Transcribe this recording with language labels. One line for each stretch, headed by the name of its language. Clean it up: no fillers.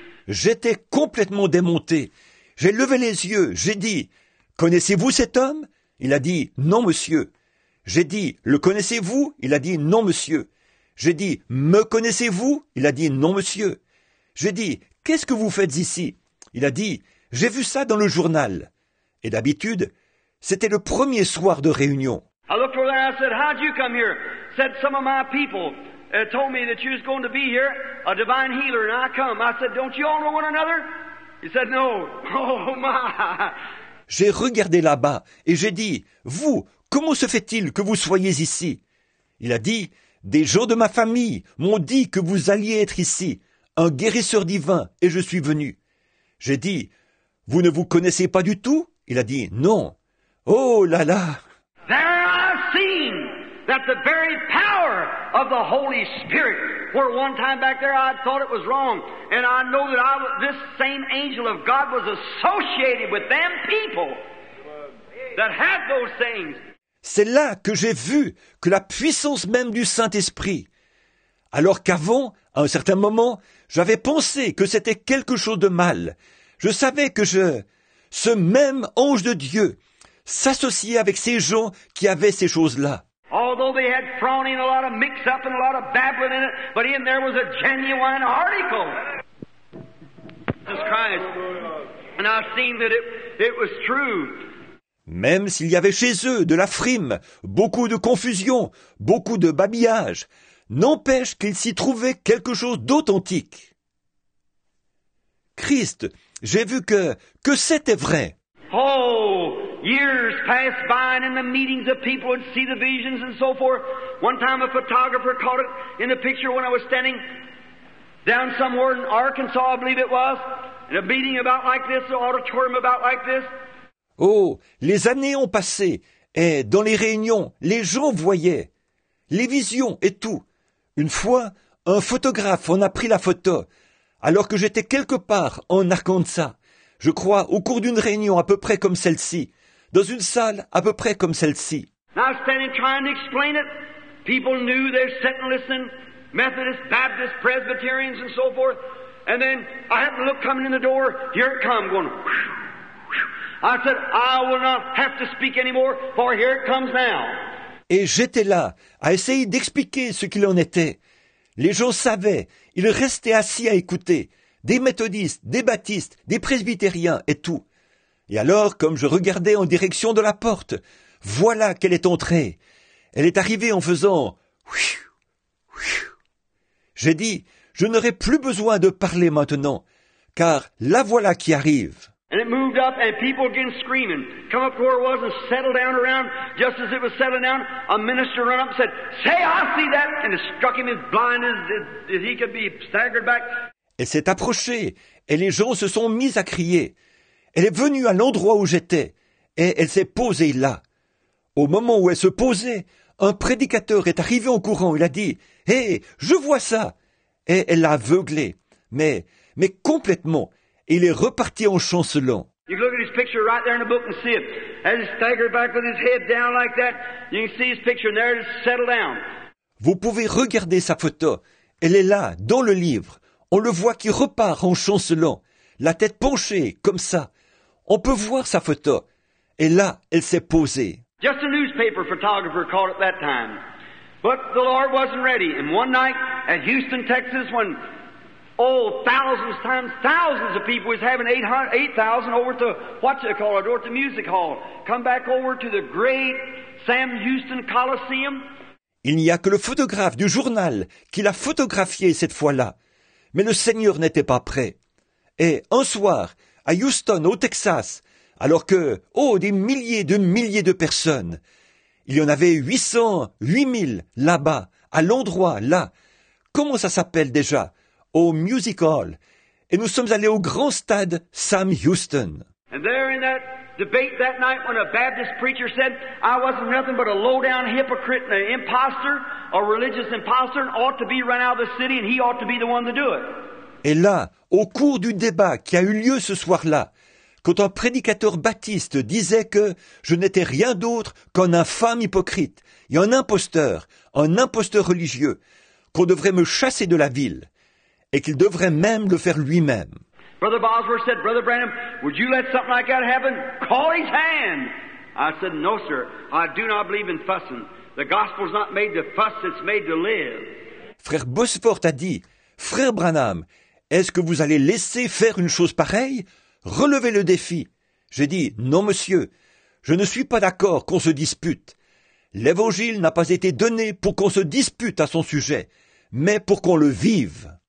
French: J'étais complètement démonté. J'ai levé les yeux. J'ai dit, connaissez-vous cet homme? Il a dit, non, monsieur. J'ai dit, le connaissez-vous? Il a dit, non, monsieur. J'ai dit, me connaissez-vous? Il a dit, non, monsieur. J'ai dit, qu'est-ce que vous faites ici? Il a dit, j'ai vu ça dans le journal. Et d'habitude, c'était le premier soir de réunion.
English: I looked over there and I said, how'd you come here? Said, some of my people told me that you was going to be here, a divine healer, and I come. I said, don't you all know one another? He said, no. Oh my.
French: J'ai regardé là-bas et j'ai dit, vous, comment se fait-il que vous soyez ici? Il a dit, des gens de ma famille m'ont dit que vous alliez être ici, un guérisseur divin, et je suis venu. J'ai dit, vous ne vous connaissez pas du tout? Il a dit, non. Oh là là!
English: There I've seen that the very power of the Holy Spirit, where one time back there I thought it was wrong, and I know that I, this same angel of God was associated with them people that had those things.
French: C'est là que j'ai vu que la puissance même du Saint-Esprit, alors qu'avant, à un certain moment, j'avais pensé que c'était quelque chose de mal, je savais que ce même ange de Dieu s'associait avec ces gens qui avaient ces choses-là.
English: Although they had thrown in a lot of mix-up and a lot of babbling in it, but in there was a genuine article. Jesus Christ. And I've seen that it was true.
French: Même s'il y avait chez eux de la frime, beaucoup de confusion, beaucoup de babillage, n'empêche qu'il s'y trouvait quelque chose d'authentique. Christ, j'ai vu que c'était vrai.
English: Oh, years passed by, and in the meetings of people would see the visions and so forth. One time a photographer caught it in the picture when I was standing down somewhere in Arkansas, I believe it was, in a meeting about like this, an auditorium about like this.
French: Oh, les années ont passé, et dans les réunions, les gens voyaient, les visions et tout. Une fois, un photographe en a pris la photo, alors que j'étais quelque part en Arkansas, je crois, au cours d'une réunion à peu près comme celle-ci, dans une salle à peu près comme celle-ci.
English: Now standing trying to explain it, people knew they're sitting listening, Methodists, Baptists, Presbyterians and so forth, and then I had to look coming in the door, here it comes, going whew. I said, I will not have to speak anymore, for here it comes now.
French: Et j'étais là, à essayer d'expliquer ce qu'il en était. Les gens savaient, ils restaient assis à écouter, des méthodistes, des baptistes, des presbytériens et tout. Et alors, comme je regardais en direction de la porte, voilà qu'elle est entrée. Elle est arrivée en faisant... J'ai dit, je n'aurai plus besoin de parler maintenant, car la voilà qui arrive.
English: And it moved up, and people began screaming. Come up to where it was and settled down around. Just as it was settling down, a minister ran up and said, "Say, I see that!" And it struck him as blind as he could be, staggered back.
French: Elle s'est approchée, et les gens se sont mis à crier. Elle est venue à l'endroit où j'étais, et elle s'est posée là. Au moment où elle se posait, un prédicateur est arrivé en courant. Il a dit, "Hé, je vois ça!" Et elle l'a aveuglé, mais complètement. Il est reparti en chancelant.
English: You can look at his picture right there in the book and see it. As he staggered back with his head down like that, you can see his picture and there it settled down.
French: Vous pouvez regarder sa photo. Elle est là, dans le livre. On le voit qui repart en chancelant, la tête penchée, comme ça. On peut voir sa photo. Et là, elle s'est posée.
English: Just a newspaper photographer caught it that time. But the Lord wasn't ready. And one night, at Houston, Texas, when... Oh, thousands times thousands of people was having 8,000 over to what you call it, or to music hall. Come back over to the great Sam Houston Coliseum.
French: Il n'y a que le photographe du journal qui l'a photographié cette fois-là. Mais le Seigneur n'était pas prêt. Et un soir, à Houston, au Texas, alors que, oh, des milliers de personnes, il y en avait 800, 8000 là-bas, à l'endroit, là. Comment ça s'appelle déjà? Au Music Hall, et nous sommes allés au grand stade Sam Houston.
English: And there in that debate that night when a Baptist preacher said, I wasn't nothing but a low-down hypocrite and an imposter, a religious imposter, and ought to be run out of the city, and he ought to be the one to do it.
French: Et là, au cours du débat qui a eu lieu ce soir-là, quand un prédicateur baptiste disait que je n'étais rien d'autre qu'un infâme hypocrite et un imposteur religieux, qu'on devrait me chasser de la ville, et qu'il devrait même le faire lui-même.
English: Brother Bosworth said, Brother Branham, would you let something like that happen? Call his hand! I said, no, sir, I do not believe in fussing. The gospel's not made to fuss, it's made to live.
French: Frère Bosworth a dit, Frère Branham, est-ce que vous allez laisser faire une chose pareille? Relevez le défi. J'ai dit, non, monsieur, je ne suis pas d'accord qu'on se dispute. L'évangile n'a pas été donné pour qu'on se dispute à son sujet, mais pour qu'on le vive.